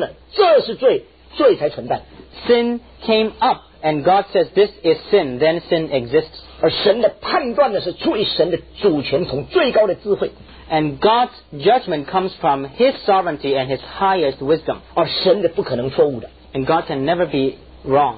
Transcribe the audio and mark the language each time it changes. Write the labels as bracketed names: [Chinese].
[Chinese] 这个产生出来呢，那么神说呢，这是罪，罪才存在。 [English] Sin came up, and God says this is sin. Then sin exists. [Chinese] 而神的判断呢，是出于神的主权同最高的智慧。 [English] And God's judgment comes from His sovereignty and His highest wisdom. [Chinese] 而神的不可能错误的。 [English] And God can never be wrong.